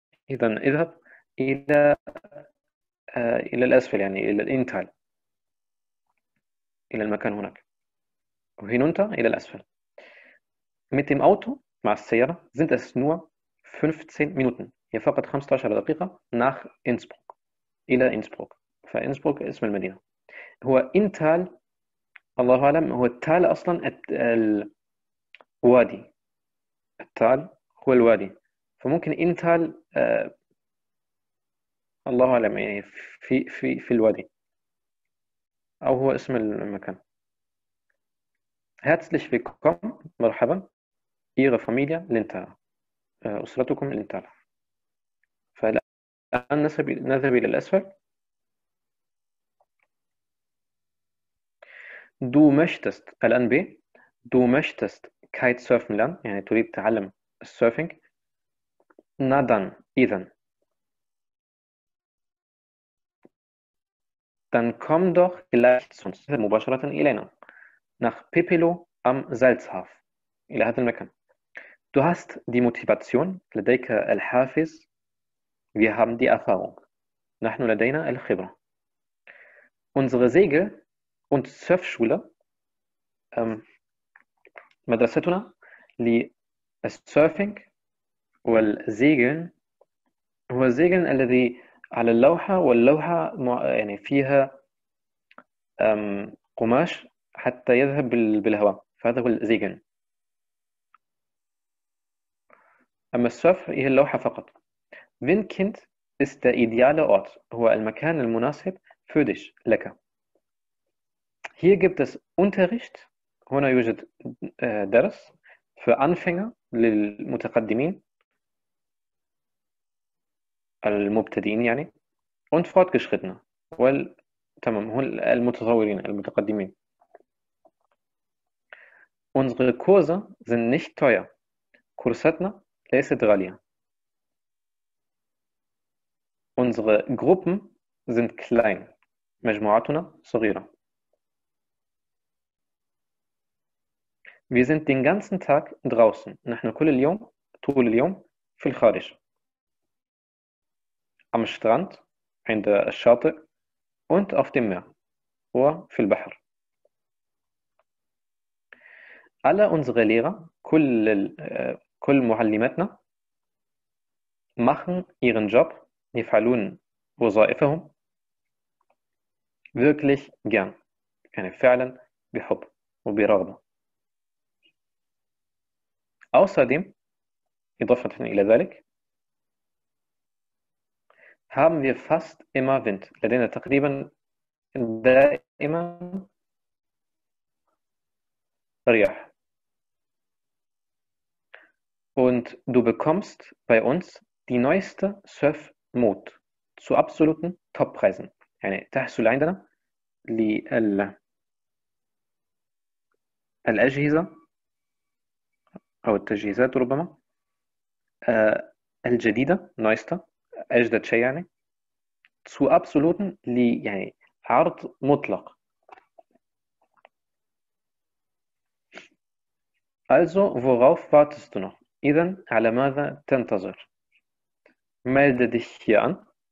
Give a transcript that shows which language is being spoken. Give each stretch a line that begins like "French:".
Arabic: إذن اذهب إلى إلى الأسفل يعني إلى الإنتال إلى المكان هناك وهنونتا إلى الأسفل.
German: Mit dem Auto
Arabic: مع السيارة
German: sind es nur 15 Minuten.
Arabic: هي فقط 15 دقيقة
German: nach Innsbruck
Arabic: إلى Innsbruck. فإنسبروك اسم المدينة. هو إنتال الله أعلم هو التال أصلا الوادي. التال هو الوادي. فممكن إنتال الله أعلم يعني في في في الوادي أو هو اسم المكان.
German: Herzlich willkommen,
Arabic: مرحبا,
German: Ihre Familie Lintal,
Arabic: أسرتكم لينتال. فالآن نذهب إلى الأسفل.
German: Du möchtest
Arabic: الآن ب
German: Du möchtest kitesurfen lernen,
Arabic: يعني تريد تعلم السيرفينج.
German: Na dann,
Arabic: إذن.
German: Dann komm doch gleich zu uns,
Arabic: مباشرة إلينا,
German: nach Pipelo am Salzhaf,
Arabic: إلى هذا المكان.
German: Du hast die Motivation,
Arabic: لديك الحافز,
German: wir haben die Erfahrung,
Arabic: نحن لدينا الخبرة.
German: Unsere Segel- und Surfschule,
Arabic: مدرستنا للسيرفينج والسيجن, هو السيجن الذي على اللوحة واللوحة يعني فيها قماش حتى يذهب بالهواء, فهذا هو السيجن. أما السوف هي اللوحة فقط.
German: وينكند ist der ideale Ort,
Arabic: هو المكان المناسب
German: für dich,
Arabic: لك.
German: Hier gibt es Unterricht,
Arabic: هنا يوجد درس
German: für Anfänger,
Arabic: للمتقدمين المبتدئين يعني
German: und fortgeschrittene
Arabic: تمام هو المتطورين المتقدمين.
German: Unsere Kurse sind nicht teuer.
Arabic: كورساتنا ليست غالية.
German: Unsere Gruppen sind klein.
Arabic: مجموعاتنا صغيرة.
German: Wir sind den ganzen Tag draußen.
Arabic: نحن كل اليوم طول اليوم في الخارج.
German: Am Strand,
Arabic: عند الشاطئ
German: und auf dem Meer.
Arabic: وفي البحر.
German: Alle unsere Lehrer,
Arabic: كل معلماتنا
German: machen ihren Job,
Arabic: يفعلون وظائفهم
German: wirklich gern.
Arabic: يعني فعلا بحب وبرغبة.
German: Außerdem,
Arabic: إضافة إلى ذلك,
German: haben wir fast immer Wind.
Arabic: لدينا تقريبا دائما رياح.
German: Und du bekommst bei uns die neueste Surf-Mode zu absoluten Top-Preisen.
Arabic: يعني تحصل عندنا للأجهزة أو التجهيزات ربما الجديدة نويستا أجدد شيء يعني
German: zu absoluten
Arabic: يعني عرض مطلق.
German: Also worauf wartest du noch?
Arabic: إذن على ماذا تنتظر؟
German: Melde dich hier an.